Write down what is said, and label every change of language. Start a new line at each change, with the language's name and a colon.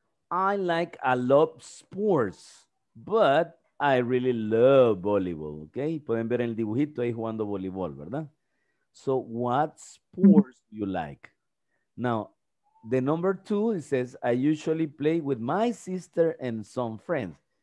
English: I like a lot sports, but I really love volleyball.
Spanish: Okay, pueden ver el dibujito ahí jugando voleibol, ¿verdad?
English: So, what sports do you like? Now, the number two, it says, I usually play with my sister and some friends.